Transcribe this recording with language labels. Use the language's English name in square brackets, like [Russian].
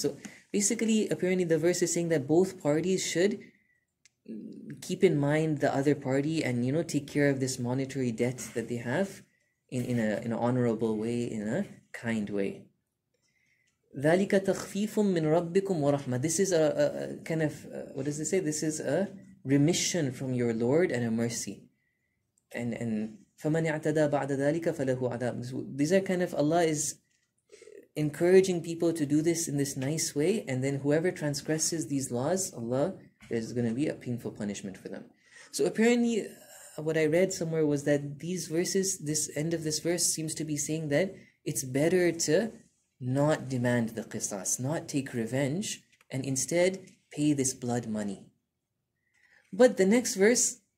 [English] So basically, apparently the verse is saying that both parties should keep in mind the other party and, you know, take care of this monetary debt that they have in an honorable way, in a kind way. [Arabic] ذَلِكَ تَخْفِيفٌ مِّن رَبِّكُمْ وَرَحْمَةٌ. [English] This is a kind of, what does it say? This is a remission from your Lord and a mercy. [Arabic] And فَمَنْ اَعْتَدَى بَعْدَ ذَلِكَ فَلَهُ عَذَابٌ. [English] These are kind of, Allah is encouraging people to do this in this nice way, and then whoever transgresses these laws, Allah, there's going to be a painful punishment for them. So apparently, what I read somewhere was that these verses, this end of this verse seems to be saying that it's better to not demand the qisas, not take revenge, and instead pay this blood money. But the next verse